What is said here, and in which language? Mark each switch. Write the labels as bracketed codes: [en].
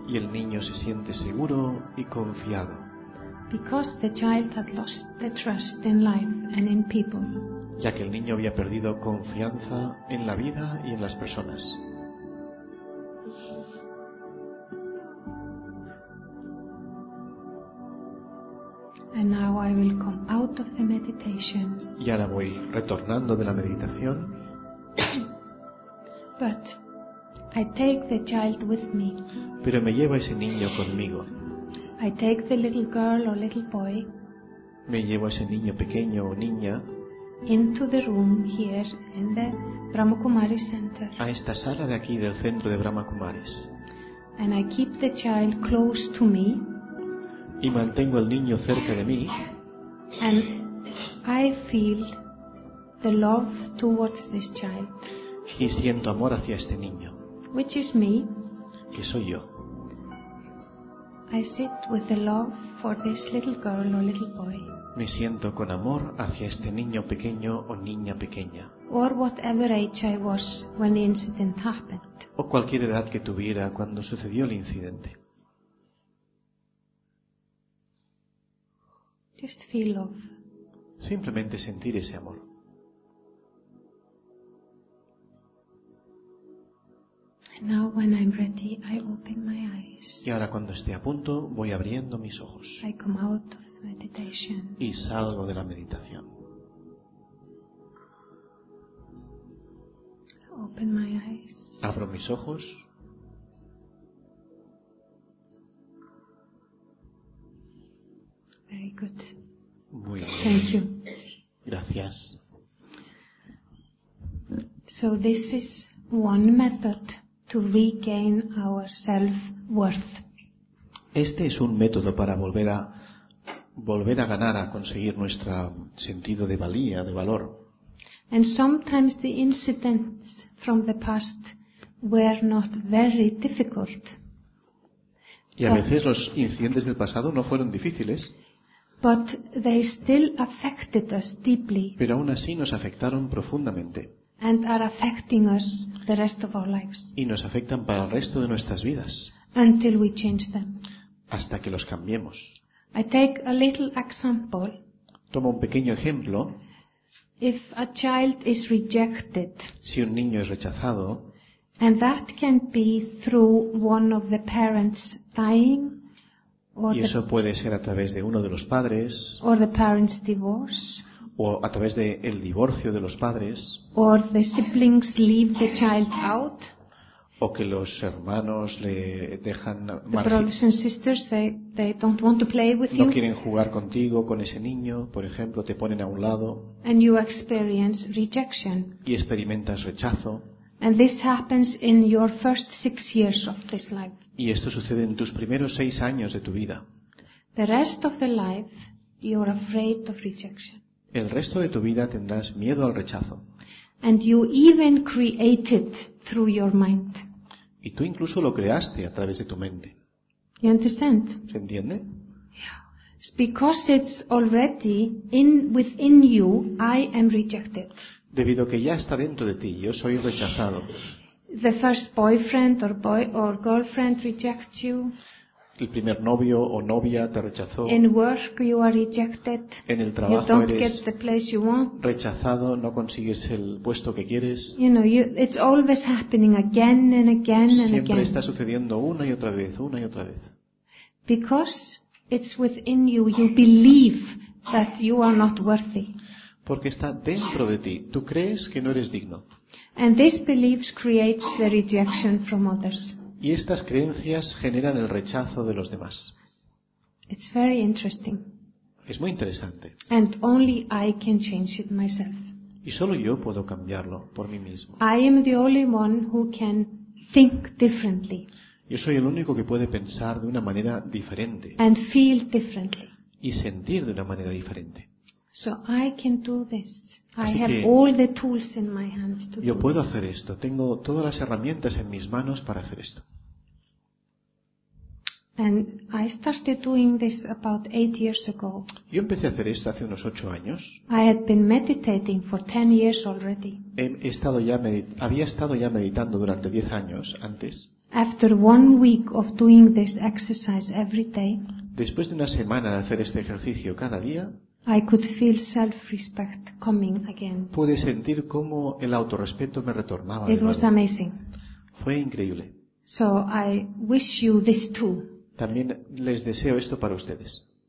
[es] Y el niño se siente seguro y confiado. [en] Because the child had lost the trust in life and in people. [es] Ya que el niño había perdido confianza en la vida y en las personas. [en] And now I will come out of the meditation. [es] Y ahora voy retornando de la meditación. [en] But I take the child with me. [es] Pero me llevo a ese niño conmigo. [en] I take the little girl or little boy. [es] Me llevo a ese niño pequeño o niña. [en] Into the room here in the Brahma Kumaris Center. [es] A esta sala de aquí del centro de Brahma Kumaris. [en] And I keep the child close to me. [es] Y mantengo el niño cerca de mí. [en] And I feel the love towards this child. [es] Y siento amor hacia este niño. [en] Which is me. [es] Que soy yo. [en] I sit with the love for this little girl or little boy. [es] Me siento con amor hacia este niño pequeño o niña pequeña. [en] Or whatever age I was when the incident happened. [es] O cualquier edad que tuviera cuando sucedió el incidente. [en] Just feel love. [es] Simplemente sentir ese amor. [en] Now when I'm ready, I open my eyes. [es] Y ahora cuando esté a punto, voy abriendo mis ojos. [en] I come out of the meditation. [es] Y salgo de la meditación. [en] Open my eyes. [es] Abro mis ojos. [en] Very good. [es] Muy bien. [en] Thank you. [es] Gracias. [en] So this is one method. To regain our self-worth. [es] Este es un método para volver a ganar, a conseguir nuestro sentido de valía, de valor. [en] And sometimes the incidents from the past were not very difficult. [es] Y a veces los incidentes del pasado no fueron difíciles. [en] But they still affected us deeply. [es] Pero aún así nos afectaron profundamente. [en] And are affecting us the rest of our lives. [es] Y nos afectan para el resto de nuestras vidas. [en] Until we change them. [es] Hasta que los cambiemos. [en] I take a little example. [es] Tomo un pequeño ejemplo. [en] If a child is rejected. [es] Si un niño es rechazado. [en] And that can be through one of the parents dying. [es] Y eso puede ser a través de uno de los padres. [en] Or the parents' divorce. [es] O a través de el divorcio de los padres. [en] Or the siblings leave the child out. [es] o que los hermanos le dejan no quieren jugar contigo, con ese niño, por ejemplo, te ponen a un lado. [en] And you experience rejection. [es] Y experimentas rechazo. [en] And this happens in your first 6 years of this life. [es] Y esto sucede en tus primeros 6 años de tu vida. [en] The rest of the life, you're afraid of rejection. [es] El resto de tu vida tendrás miedo al rechazo. [en] And you even create it through your mind. [es] Y tú incluso lo creaste a través de tu mente. [en] You understand? [es] ¿Se entiende? [en] Yeah. It's because it's already in within you, I am rejected. [es] Debido a que ya está dentro de ti, yo soy rechazado. [en] The first boyfriend or boy or girlfriend rejects you. [es] El primer novio o novia te rechazó. [en] In work you are rejected. [es] En el trabajo [en] you don't [es] eres [en] get the place you want. [es] Rechazado, no consigues el puesto que quieres. [en] You know, it's always happening again and again and [es] siempre [en] again. [es] Está sucediendo una y otra vez, una y otra vez. [en] Because it's within you, you believe that you are not worthy. [es] Porque está dentro de ti, tú crees que no eres digno. [en] And this belief creates the rejection from others. [es] Y estas creencias generan el rechazo de los demás. [en] It's very interesting. [es] Es muy interesante. [en] And only I can change it myself. [es] Y solo yo puedo cambiarlo por mí mismo. [en] I am the only one who can think differently. [es] Yo soy el único que puede pensar de una manera diferente. [en] And feel differently. [es] Y sentir de una manera diferente. [en] So I can do this. I have all the tools in my hands to do this. [es] Yo puedo hacer esto. Tengo todas las herramientas en mis manos para hacer esto. [en] And I started doing this about 8 years ago. [es] Yo empecé a hacer esto hace unos 8 años. [en] I had been meditating for 10 years already. [es] Había estado ya meditando durante 10 años antes. [en] After 1 week of doing this exercise every day. [es] Después de una semana de hacer este ejercicio cada día. [en] I could feel self-respect coming again. [es] Pude sentir cómo el autorrespeto me retornaba. [en] It was amazing. [es] Fue increíble. [en] So I wish you this too. [es] También les deseo esto para ustedes.